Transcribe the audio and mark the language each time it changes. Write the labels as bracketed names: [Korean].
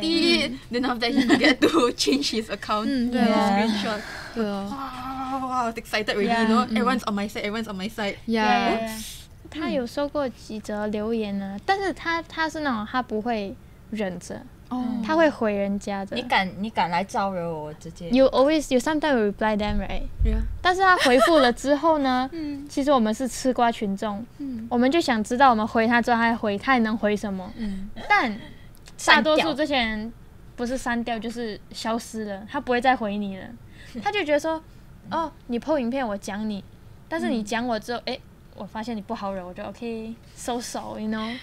[English] 第一、嗯、，then after he get to change his account， [Chinese] 嗯，对、啊、 [English] ，screenshot， [Chinese] 对哦， [English] 哇 ，excited really， you know， everyone's on my side， everyone's on my side， yeah, yeah.。 [Chinese] 他有收过几则留言呢、啊嗯，但是他是那种他不会忍着、哦，他会回人家的。你敢来招惹我，直接。 [English] You sometimes reply them right？ Yeah。 [Chinese] 但是他回复了之后呢？其实我们是吃瓜群众、嗯，我们就想知道我们回他之后他还能回什么？嗯、但大多数这些人不是删掉就是消失了，他不会再回你了。他就觉得说，哦，你 po 影片我讲你，但是你讲我之后，哎、嗯。欸我发现你不好惹，我就 OK， 收手 ， [English] you know。